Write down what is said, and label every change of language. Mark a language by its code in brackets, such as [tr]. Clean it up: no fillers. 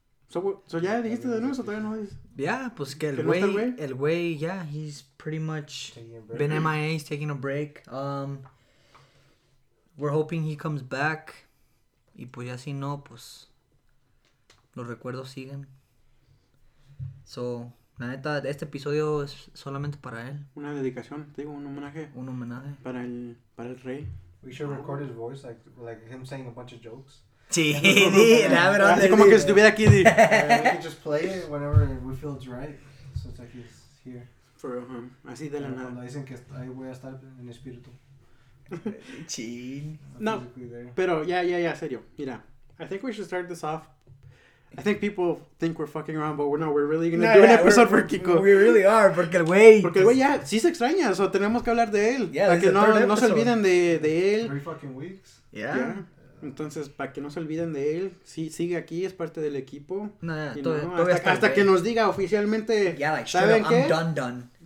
[es] So ya dijiste de nuevo, todavía no es... [en] Yeah, [es] pues que el güey, [en] yeah, he's pretty much been MIA, he's taking a break. We're hoping he comes back, [es] y pues ya si no, pues, los recuerdos siguen. So, la neta, este episodio es solamente para él. Una dedicación, te digo, un homenaje. Para el rey. [en] We should record his voice, like him saying a bunch of jokes. [es] Sí, dame, como que estuviera aquí. [en] We can just play it whenever we feel it's right. So it's like he's here. For real, huh? [es] Así de la nada. Cuando dicen que ahí voy a estar en espíritu. Sí. No, pero ya, serio. [en] Mira, I think we should start this off. I think people think we're fucking around, but we're not. We're really going to do an episode for Kiko. We really are, [es] porque el güey... Porque el güey, ya, sí se extraña, so tenemos que hablar de él. [en] Yeah, [es] para que no se olviden de él. [en] 3 fucking weeks. Yeah. [es] Entonces, para que no se olviden de él, sí, sigue aquí, es parte del equipo. Hasta que nos diga oficialmente, [en] yeah, like, [es] ¿saben [en] straight, [es] qué? [en] I'm done.